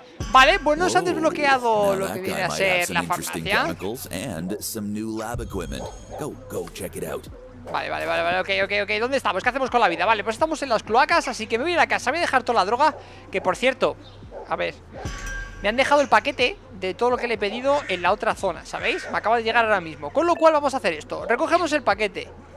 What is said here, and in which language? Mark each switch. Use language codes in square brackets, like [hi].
[es] Vale, bueno, se han desbloqueado lo que viene a ser la farmacia. [en] And some new lab equipment. Go check it out. [es] Vale, ok. ¿Dónde estamos? ¿Qué hacemos con la vida? Vale, pues estamos en las cloacas, así que me voy a ir a casa. Voy a dejar toda la droga, que por cierto, a ver, me han dejado el paquete de todo lo que le he pedido en la otra zona, ¿sabéis? Me acaba de llegar ahora mismo. Con lo cual vamos a hacer esto, recogemos el paquete.